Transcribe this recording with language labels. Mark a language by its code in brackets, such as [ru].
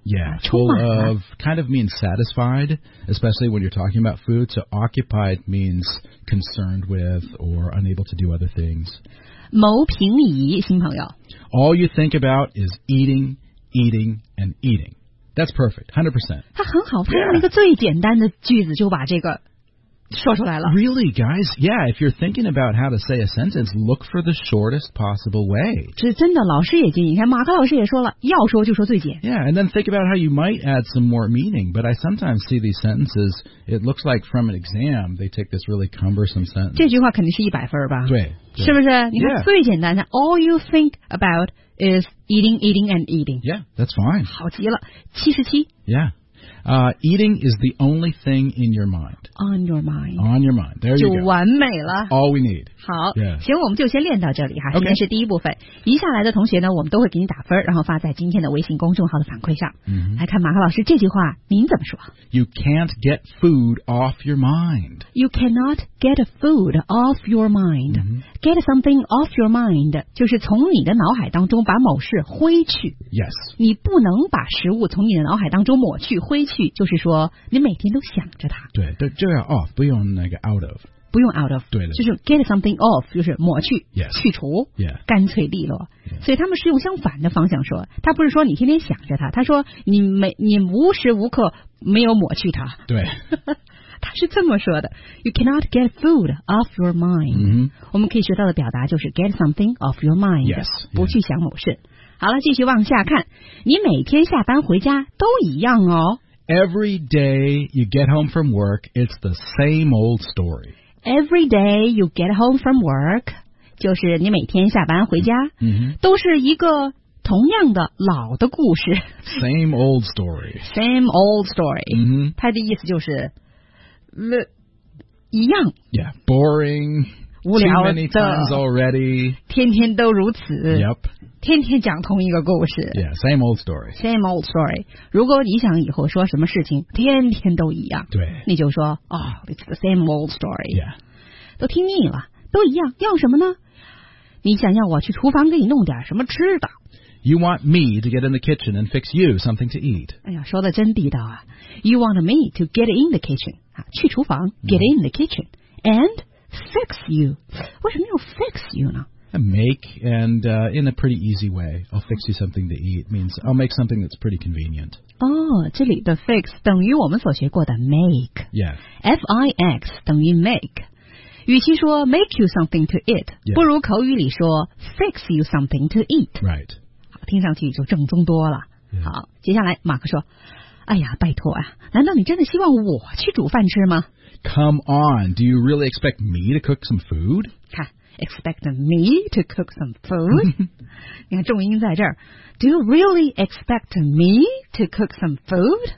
[en] Yeah, full of kind of means satisfied, especially when you're talking about food. So occupied means concerned with or unable to do other things. [zh] 谋平移，新朋友。 [en] All you think about is eating, eating, and eating. That's perfect, 100%. [zh] 他很好，他用了一个最简单的句子就把这个说出来了。 [en] Really, guys? Yeah, if you're thinking about how to say a sentence, look for the shortest possible way. [zh] 这真的，老师也建议。你看，马克老师也说了，要说就说最简。 [en] Yeah, and then think about how you might add some more meaning. But I sometimes see these sentences, it looks like from an exam, they take this really cumbersome sentence. [zh] 这句话肯定是100分吧？对。对是不是？ [en] Yeah. [zh] 你看最简单的 [en] ，all you think about is eating, eating, and eating. Yeah, that's fine. [zh] 好极了，77。 [en] Yeah. Eating is the only thing in your mind. On your mind. On your mind. There you go. [zh] 就完美了。 [en] All we need. [zh] 好。 [en] Yeah. [zh] 行，我们就先练到这里哈。 [en] Okay. [zh] 今天是第一部分。一下来的同学呢，我们都会给你打分，然后发在今天的微信公众号的反馈上。 Mm-hmm. 来看马克老师这句话，您怎么说 [en] ？You can't get food off your mind. You cannot get food off your mind.、 Mm-hmm. Get something off your mind [zh] 就是从你的脑海当中把某事挥去。 [en] Yes. [zh] 你不能把食物从你的脑海当中抹去挥去。就是说你每天都想着它对就要 off 不用那个 out of 不用 out of 对的就是 [en] get something off [zh] 就是抹去、 [en] yes. [zh] 去除、 [en] yeah. [zh] 干脆利落、 [en] yeah. [zh] 所以他们是用相反的方向说他不是说你天天想着它他说你无时无刻没有抹去它对他是这么说的 [en] You cannot get food off your mind、 mm-hmm. [zh] 我们可以学到的表达就是 [en] get something off your mind yes, [zh] 不去想某事、yeah. 好了继续往下看你每天下班回家都一样哦 [en] Every day you get home from work, it's the same old story. Every day you get home from work, [zh] 就是你每天下班回家、 mm-hmm. 都是一个同样的老的故事。 [en] Same old story. Same old story.、 Mm-hmm. [zh] 它的意思就是、一样。 [en] Yeah, boring. [zh] 无聊的。 [en] Too many times already. [zh] 天天都如此。 [en] Yep. [zh] 天天讲同一个故事。 [en] Yeah, same old story. Same old story. [zh] 如果你想以后说什么事情天天都一样，对，你就说哦 [en] it's the same old story. Yeah. [zh] 都听腻了，都一样，要什么呢？你想要我去厨房给你弄点什么吃的。 [en] You want me to get in the kitchen and fix you something to eat. [zh] 哎呀，说的真地道啊。 [en] You want me to get in the kitchen, [zh] 去厨房 [en] get in the kitchen, and fix you. [zh] 为什么要 fix you 呢？ [en] Make and in a pretty easy way. I'll fix you something to eat means I'll make something that's pretty convenient. [zh] Oh, 这里的 fix 等于我们所学过的 make. [en] Yeah. [zh] F-I-X 等于 make. 与其说 [en] make you something to eat,、 yeah. [zh] 不如口语里说 [en] fix you something to eat. Right. [zh] 好，听上去就正宗多了。 [en] Yeah. [zh] 好，接下来马克说，哎呀，拜托啊，难道你真的希望我去煮饭吃吗？ [en] Come on, do you really expect me to cook some food? 看Expect me to cook some food? [zh] 你看重音在这儿。 [en] Do you really expect me to cook some food?